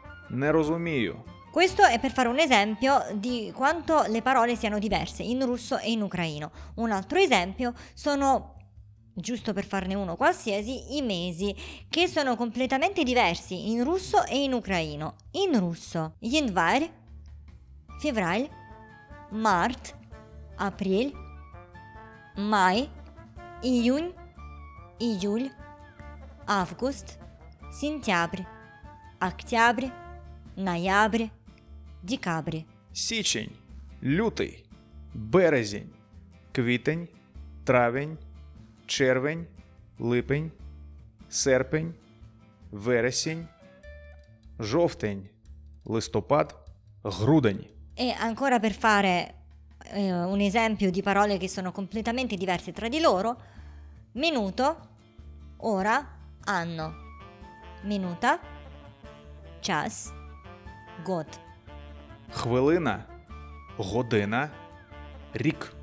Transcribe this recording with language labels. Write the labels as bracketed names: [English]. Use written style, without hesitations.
[Ukrainian] Не розумію. [Italian] Questo è per fare un esempio di quanto le parole siano diverse in russo e in ucraino. Un altro esempio sono, giusto per farne uno qualsiasi, i mesi, che sono completamente diversi in russo e in ucraino. In russo, [Russian] январь, февраль, март, апрель, май, июнь, июль, август, сентябрь, октябрь, ноябрь, декабрь. [Ukrainian] Січень, лютий, березень, квітень, травень, червень, липень, серпень, вересень, жовтень, листопад, грудень. [Italian] E ancora per fare un esempio di parole che sono completamente diverse tra di loro: minuto, ora, anno, minuta, [Russian] час, год. [Ukrainian] Хвилина, година, рік.